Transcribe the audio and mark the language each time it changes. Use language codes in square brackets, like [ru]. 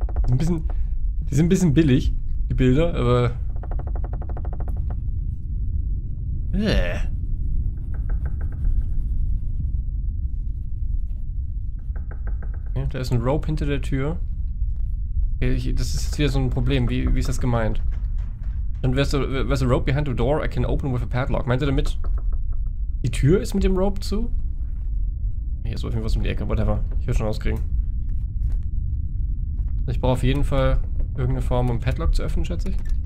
[de] Ein bisschen, die sind ein bisschen billig, die Bilder, aber... Okay, da ist ein Rope hinter der Tür. Okay, das ist jetzt wieder so ein Problem, wie ist das gemeint? [en] Dann there's a rope behind the door I can open with a padlock. [de] Meint ihr damit, die Tür ist mit dem Rope zu? Hier ist auf jeden Fall was um die Ecke, whatever. Ich will schon rauskriegen. Ich brauche auf jeden Fall irgendeine Form, um Padlock zu öffnen, schätze ich.